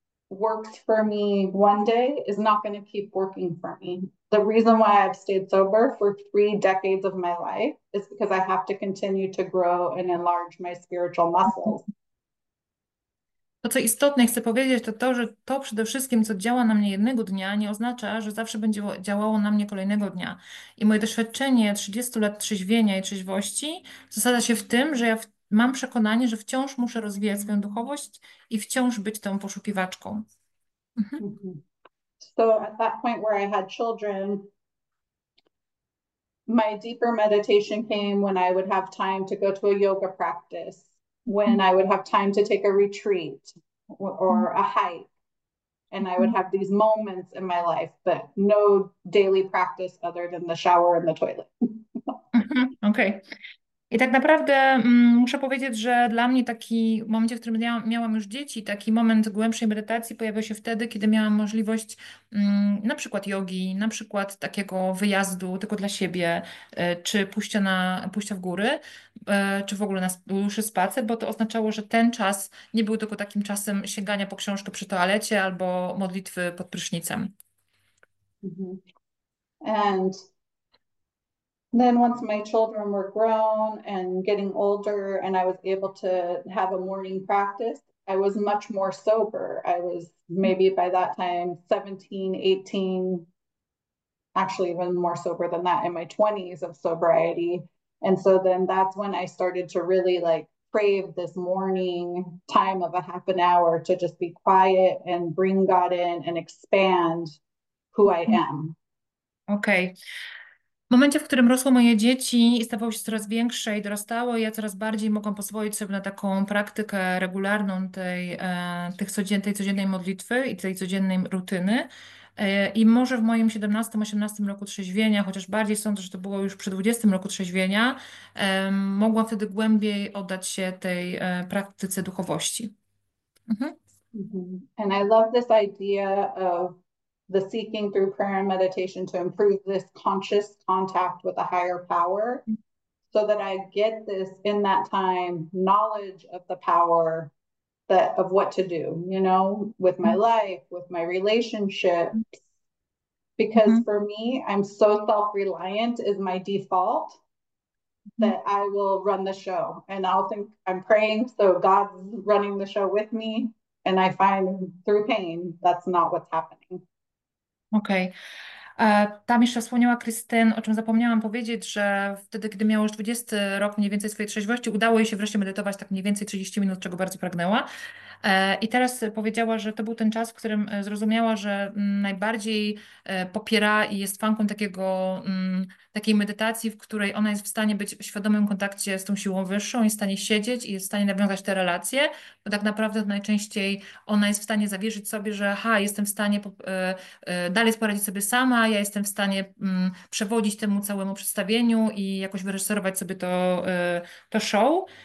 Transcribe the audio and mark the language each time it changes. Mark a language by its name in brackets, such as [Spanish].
[English] works for me one day is not going to keep working for me. The reason why I've stayed sober for 3 decades of my life is because I have to continue to grow and enlarge my spiritual muscles. [Polish] To, co istotne chcę powiedzieć, to to, że to przede wszystkim, co działa na mnie jednego dnia, nie oznacza, że zawsze będzie działało na mnie kolejnego dnia. I moje doświadczenie 30 lat trzeźwienia i trzeźwości zasadza się w tym, że ja mam przekonanie, że wciąż muszę rozwijać swoją duchowość i wciąż być tą poszukiwaczką. [English] So at that point where I had children, my deeper meditation came when I would have time to go to a yoga practice, when I would have time to take a retreat or a hike, and I would have these moments in my life, but no daily practice other than the shower and the toilet. Okej. Okay. [Polish] I tak naprawdę muszę powiedzieć, że dla mnie taki w momencie, w którym miałam już dzieci, taki moment głębszej medytacji pojawił się wtedy, kiedy miałam możliwość na przykład jogi, na przykład takiego wyjazdu tylko dla siebie, czy pójścia w góry, czy w ogóle na dłuższy spacer, bo to oznaczało, że ten czas nie był tylko takim czasem sięgania po książkę przy toalecie albo modlitwy pod prysznicem. [English] And then once my children were grown and getting older, and I was able to have a morning practice, I was much more sober. I was maybe by that time 17, 18, actually even more sober than that, in my 20s of sobriety. And so then that's when I started to really like crave this morning time of a half an hour to just be quiet and bring God in and expand who I am. Okej. Okay. [Polish] W momencie, w którym rosło moje dzieci i stawało się coraz większe i dorastało, ja coraz bardziej mogłam pozwolić sobie na taką praktykę regularną tej codziennej modlitwy i tej codziennej rutyny. I może w moim 17-18 roku trzeźwienia, chociaż bardziej sądzę, że to było już przy 20 roku trzeźwienia, mogłam wtedy głębiej oddać się tej praktyce duchowości. [English] And I love this idea of the seeking through prayer and meditation to improve this conscious contact with a higher power so that I get this in that time knowledge of the power that of what to do, you know, with my life, with my relationships. Because for me, I'm so self-reliant is my default that I will run the show and I'll think I'm praying, so God's running the show with me. And I find through pain, that's not what's happening. Okej. Okay. [Polish] Tam jeszcze wspomniała Krystyn, o czym zapomniałam powiedzieć, że wtedy, gdy miała już 20 rok mniej więcej swojej trzeźwości, udało jej się wreszcie medytować tak mniej więcej 30 minut, czego bardzo pragnęła. I teraz powiedziała, że to był ten czas, w którym zrozumiała, że najbardziej popiera i jest fanką takiej medytacji, w której ona jest w stanie być w świadomym kontakcie z tą siłą wyższą, jest w stanie siedzieć i jest w stanie nawiązać te relacje, bo tak naprawdę najczęściej ona jest w stanie zawierzyć sobie, że ha, jestem w stanie dalej poradzić sobie sama, ja jestem w stanie przewodzić temu całemu przedstawieniu i jakoś wyreżyserować sobie to show.